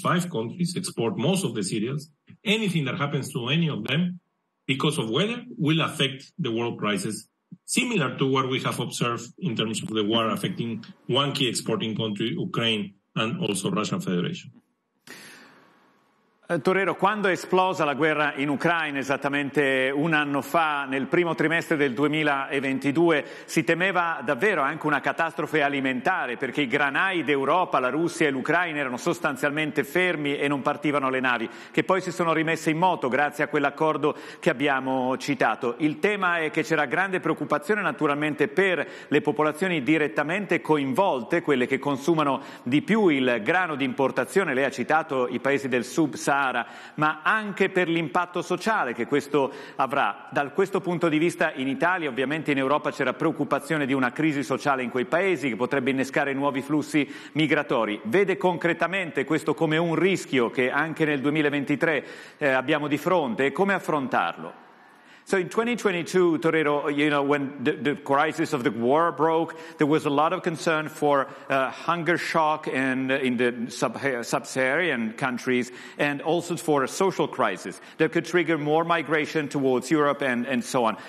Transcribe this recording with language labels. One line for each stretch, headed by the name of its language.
English: Five countries export most of the cereals. Anything that happens to any of them because of weather will affect the world prices, similar to what we have observed in terms of the war affecting one key exporting country, Ukraine, and also Russian Federation.
Italian: Torero, quando è esplosa la guerra in Ucraina esattamente un anno fa, nel primo trimestre del 2022, si temeva davvero anche una catastrofe alimentare perché i granai d'Europa, la Russia e l'Ucraina erano sostanzialmente fermi e non partivano le navi, che poi si sono rimesse in moto grazie a quell'accordo che abbiamo citato. Il tema è che c'era grande preoccupazione naturalmente per le popolazioni direttamente coinvolte, quelle che consumano di più il grano di importazione, lei ha citato i paesi del Sub-Sahara, ma anche per l'impatto sociale che questo avrà. Da questo punto di vista in Italia, ovviamente in Europa c'era preoccupazione di una crisi sociale in quei paesi che potrebbe innescare nuovi flussi migratori. Vede concretamente questo come un rischio che anche nel 2023 abbiamo di fronte e come affrontarlo?
English: So in 2022, Torero, you know, when the crisis of the war broke, there was a lot of concern for hunger shock in the sub-Saharan countries and also for a social crisis that could trigger more migration towards Europe and so on.